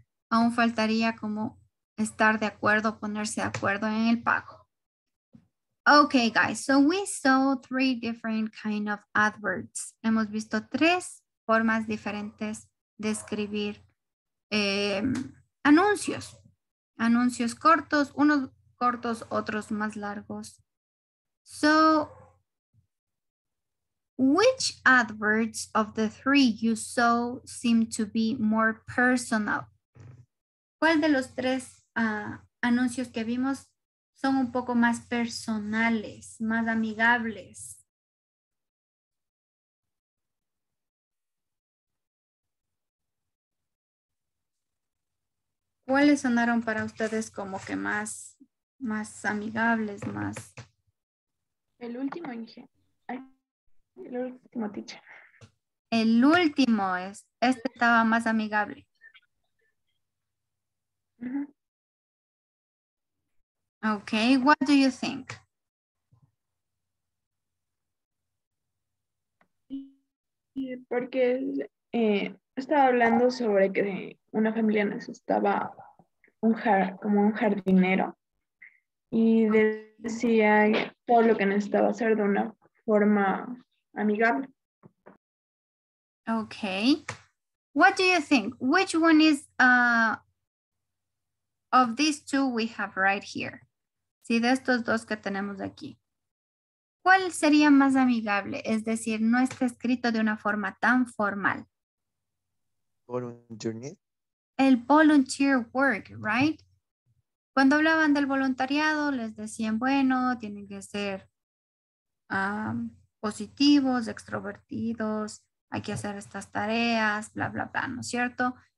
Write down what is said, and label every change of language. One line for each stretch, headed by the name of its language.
Spanish: Aún faltaría como estar de acuerdo, ponerse de acuerdo en el pago.
English: Okay, guys, so we saw three different kind of adverbs.
Spanish: Hemos visto tres formas diferentes de escribir anuncios. Anuncios cortos, unos cortos, otros más largos.
English: So, which adverbs of the three you saw seem to be more personal?
Spanish: ¿Cuál de los tres anuncios que vimos son un poco más personales, más amigables? ¿Cuáles sonaron para ustedes como que más amigables, más? El último, Inge. Ay, el último, teacher. El último es. Este estaba más amigable.
English: Okay, what do you think?
Spanish: Porque estaba hablando sobre que una familia necesitaba como un jardinero, y decía todo lo que necesitaba hacer de una forma amigable.
English: Okay. What do you think? Which one is of these two we have right here?
Spanish: Sí, de estos dos que tenemos aquí. ¿Cuál sería más amigable? Es decir, no está escrito de una forma tan formal.
English: Volunteer. El volunteer work, right?
Spanish: Cuando hablaban del voluntariado, les decían, bueno, tienen que ser positivos, extrovertidos, hay que hacer estas tareas, bla, bla, bla, ¿no es cierto?